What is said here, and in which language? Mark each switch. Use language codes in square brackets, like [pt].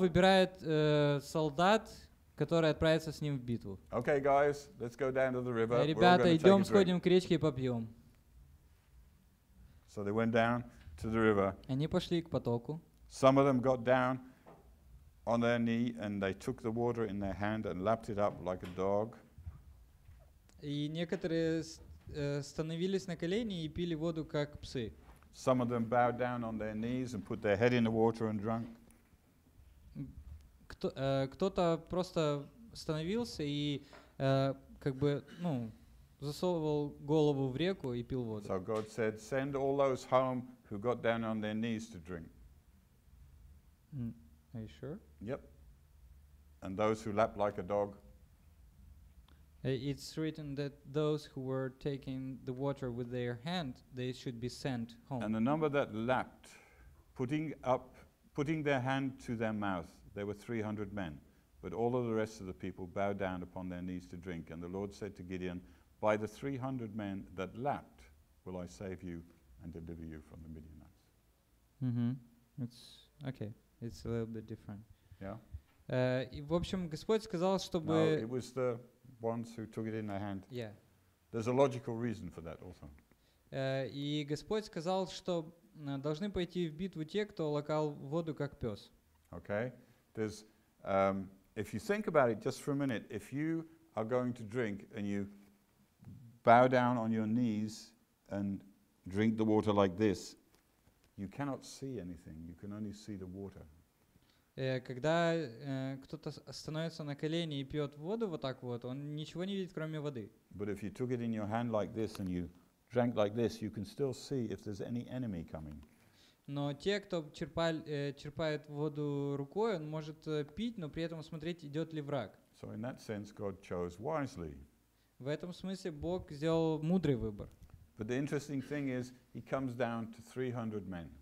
[ru] Выбирает солдат, который отправится с ним в битву. [en] Okay, guys, let's go down to the river. [ru] Ребята, идем, сходим к речке и попьем. [en] So they went down to the river. [ru] Они пошли к потоку. [en] Some of them got down on their knee and they took the water in their hand and lapped it up like a dog. [ru] И некоторые становились на колени и пили воду как псы. [en] Some of them bowed down on their knees and put their head in the water and drank. [ru] Кто-то просто становился и как бы, ну, засовывал голову в реку и пил воду. [en] So God said, send all those home who got down on their knees to drink. Are you sure? Yep. And those who lapped like a dog. It's written that those who were taking the water with their hand, they should be sent home. And the number that lapped, putting their hand to their mouth, there were 300 men, but all of the rest of the people bowed down upon their knees to drink. And the Lord said to Gideon, by the 300 men that lapped, will I save you and deliver you from the Midianites. Mm-hmm. It's okay. It's a little bit different. Yeah. [ru] И в общем, Господь сказал, чтобы... [en] No, it was the ones who took it in their hand. Yeah. There's a logical reason for that also. [ru] И Господь сказал, что должны пойти в битву те, кто лакал воду как пес. [en] Okay. There's, if you think about it just for a minute, if you are going to drink and you bow down on your knees and drink the water like this, you cannot see anything. You can only see the water. [ru] Когда кто-то становится на колени и пьет воду вот так вот, он ничего не видит, кроме воды. [en] But if you took it in your hand like this and you drank like this, you can still see if there's any enemy coming. [ru] Но те, кто черпает воду рукой, он может пить, но при этом смотреть, идет ли враг. [en] So in that sense God chose wisely. [ru] В этом смысле Бог сделал мудрый выбор. [en] But the interesting thing is, he comes down to 300 men.